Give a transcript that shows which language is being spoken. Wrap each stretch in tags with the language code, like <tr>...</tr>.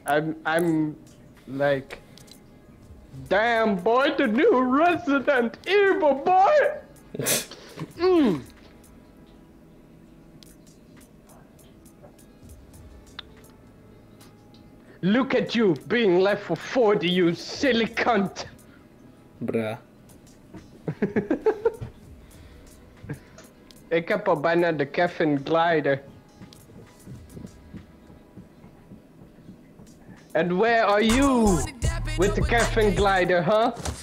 <en>I'm like... Damn, boy, the new Resident Evil, boy! Look at you being left for 40, you silly cunt! Bruh.</en> <nl>Ik heb al bijna de Kevin glider.</nl> <en>And where are you with the Kevin glider, huh?</en>